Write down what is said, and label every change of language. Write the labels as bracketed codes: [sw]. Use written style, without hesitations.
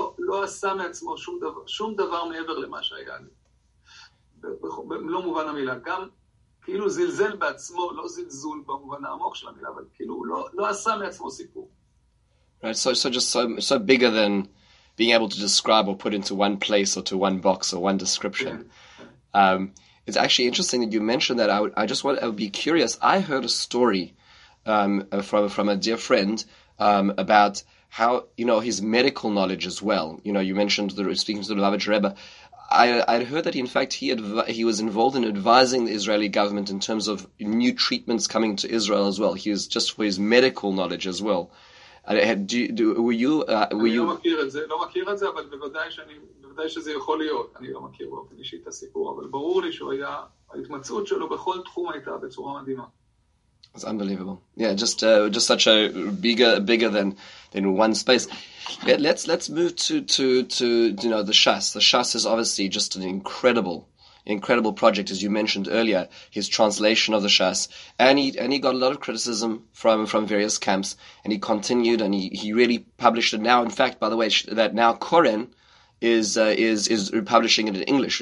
[he] לא עשה מעצמו שום דבר מעבר למה שהיה לי. לא מובן המילה. גם כאילו זלזל בעצמו, לא זלזול במובן העמוק של המילה, אבל כאילו לא עשה מעצמו סיפור. [en] Right, so bigger than being able to describe or put into one place or to one box or one description. It's actually interesting that you mentioned that. I would be curious. I heard a story from a dear friend about how, you know, his medical knowledge as well. You know, you mentioned speaking to the Lubavitcher Rebbe. I'd heard that, in fact, he was involved in advising the Israeli government in terms of new treatments coming to Israel as well. He was just for his medical knowledge as well. [he] לא מכיר את זה, לא מכיר את זה, אבל בוודאי שזה יכול להיות. אני לא מכיר באופן אישי את הסיפור, אבל ברור לי שהוא היה, ההתמצאות שלו בכל תחום הייתה בצורה מדהימה. [en] It's unbelievable. Yeah, just such a bigger than one space. But let's move to you know, the Shas. The Shas is obviously just an incredible project, as you mentioned earlier, his translation of the Shas, and he got a lot of criticism from various camps, and he continued, and he really published it now. In fact, by the way, that now Koren is republishing it in English.